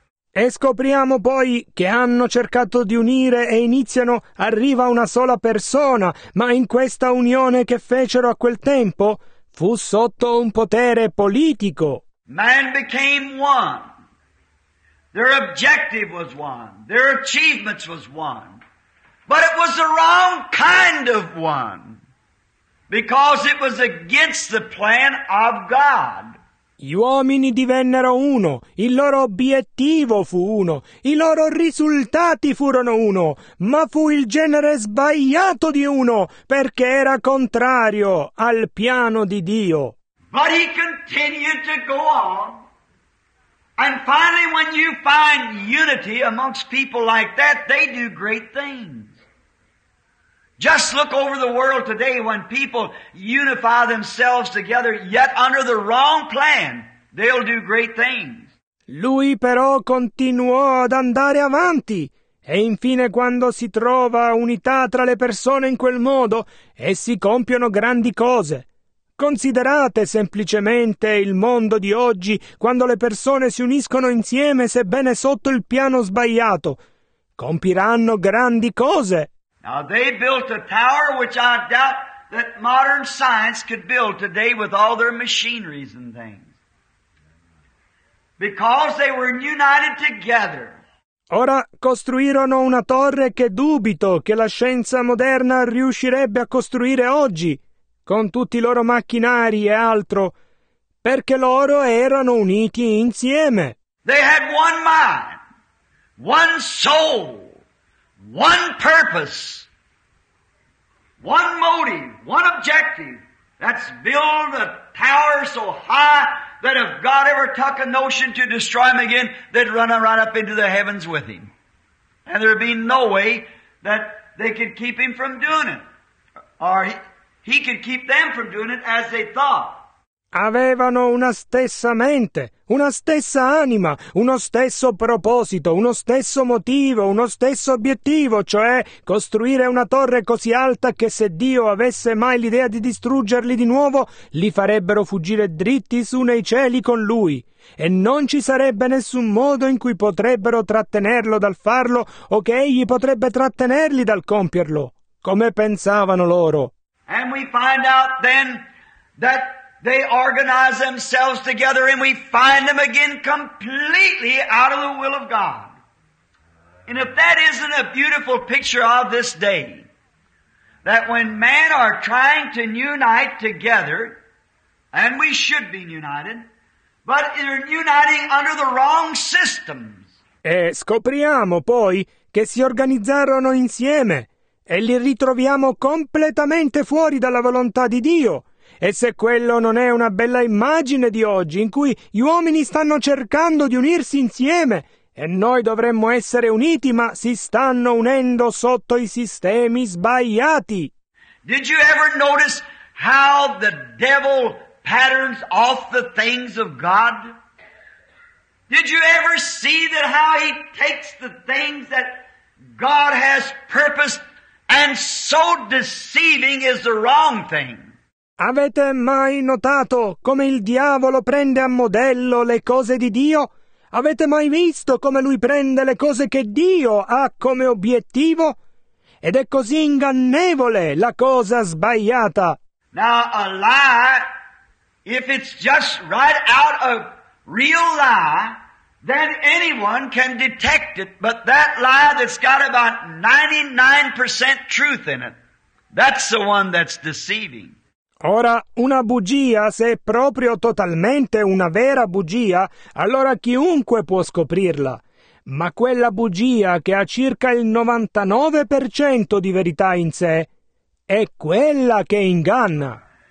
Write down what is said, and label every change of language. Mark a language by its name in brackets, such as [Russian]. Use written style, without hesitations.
[Italian] E scopriamo poi che hanno cercato di unire e iniziano, arriva una sola persona, ma in questa unione che fecero a quel tempo, fu sotto un potere politico. [English] Man became one. Their objective was one. Their achievements was one. But it was the wrong kind of one. Because it was against the plan of God. [Italian] Gli uomini divennero uno, il loro obiettivo fu uno, i loro risultati furono uno, ma fu il genere sbagliato di uno, perché era contrario al piano di Dio. [English] But he continued to go on. And finally when you find unity amongst people like that, they do great things. Just look over the world today when people unify themselves together, yet under the wrong plan, they'll do great things. [Italian] Lui però continuò ad andare avanti, e infine quando si trova unità tra le persone in quel modo, essi compiono grandi cose. Considerate semplicemente il mondo di oggi, quando le persone si uniscono insieme, sebbene sotto il piano sbagliato, compiranno grandi cose. [English] Now they built a tower which I doubt that modern science could build today with all their machineries and things. Because they were united together. [Italian] Ora costruirono una torre che dubito che la scienza moderna riuscirebbe a costruire oggi, con tutti i loro macchinari e altro, perché loro erano uniti insieme. [English] They had one mind, one soul. One purpose, one motive, one objective, that's build a tower so high that if God ever took a notion to destroy him again, they'd run right up into the heavens with him. And there'd be no way that they could keep him from doing it. Or he could keep them from doing it as they thought. [Italian] Avevano una stessa mente, una stessa anima, uno stesso proposito, uno stesso motivo, uno stesso obiettivo, cioè costruire una torre così alta che se Dio avesse mai l'idea di distruggerli di nuovo, li farebbero fuggire dritti su nei cieli con lui, e non ci sarebbe nessun modo in cui potrebbero trattenerlo dal farlo o che egli potrebbe trattenerli dal compierlo, come pensavano loro. [English] And we find out then that they organize themselves together and we find them again completely out of the will of God. And if that isn't a beautiful picture of this day, that when man are trying to unite together, and we should be united, but they're uniting under the wrong systems. [Italian] E scopriamo poi che si organizzarono insieme e li ritroviamo completamente fuori dalla volontà di Dio. E se quello non è una bella immagine di oggi, in cui gli uomini stanno cercando di unirsi insieme, e noi dovremmo essere uniti, ma si stanno unendo sotto i sistemi sbagliati. [English] Did you ever notice how the devil patterns off the things of God? Did you ever see that how he takes the things that God has purposed and so deceiving is the wrong thing? [Italian] Avete mai notato come il diavolo prende a modello le cose di Dio? Avete mai visto come lui prende le cose che Dio ha come obiettivo? Ed è così ingannevole la cosa sbagliata. [English] Now a lie, if it's just right out of real lie, then anyone can detect it. But that lie that's got about 99% truth in it, that's the one that's deceiving. [Italian] Ora, una bugia, se è proprio totalmente una vera bugia, allora chiunque può scoprirla. Ma quella bugia che ha circa il 99% di verità in sé, è quella che inganna.